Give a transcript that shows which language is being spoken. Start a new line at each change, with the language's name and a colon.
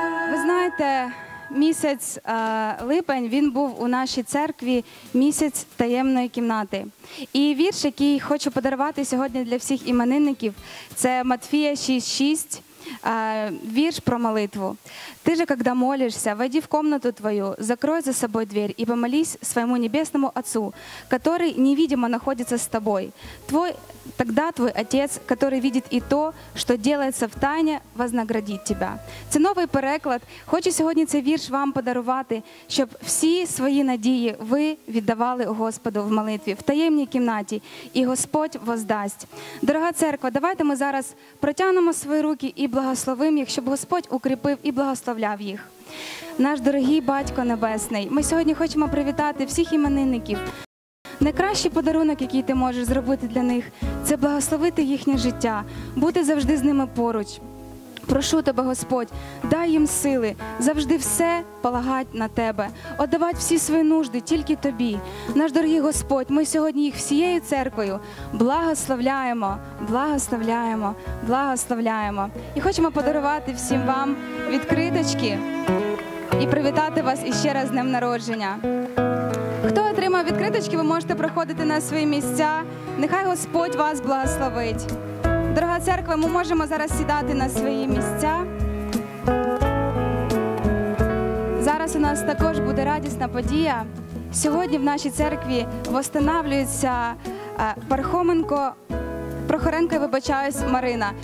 Ukrainian: Ви знаєте, місяць липень, він був у нашій церкві місяць таємної кімнати. І вірш, який хочу подарувати сьогодні для всіх іменинників, це Матфія 6:6. Вірш про молитву.
Russian: «Ти же, когда молишься, войди в комнату твою, закрой за собой дверь и помолись своему небесному Отцу, который невидимо находится с тобой. Тогда твой Отец, который видит и то, что делается в тайне, вознаградит тебя».
Ukrainian: Це новий переклад. Хочу сьогодні цей вірш вам подарувати, щоб всі свої надії ви віддавали Господу в молитві, в таємній кімнаті, і Господь воздасть. Дорога церква, давайте ми зараз протягнемо свої руки і благословим їх, щоб Господь укріпив і благословляв їх. Наш дорогий Батько Небесний, ми сьогодні хочемо привітати всіх іменинників. Найкращий подарунок, який ти можеш зробити для них, це благословити їхнє життя, бути завжди з ними поруч. Прошу тебе, Господь, дай їм сили завжди все полагати на тебе, віддавати всі свої нужди тільки тобі. Наш дорогий Господь, ми сьогодні їх всією церквою благословляємо, благословляємо, благословляємо. І хочемо подарувати всім вам відкриточки і привітати вас іще раз з днем народження. Хто отримав відкриточки, ви можете проходити на свої місця. Нехай Господь вас благословить. Дорога церква, ми можемо зараз сідати на свої місця. Зараз у нас також буде радісна подія. Сьогодні в нашій церкві встановлюється Пархоменко Прохоренко, вибачаюсь, Марина.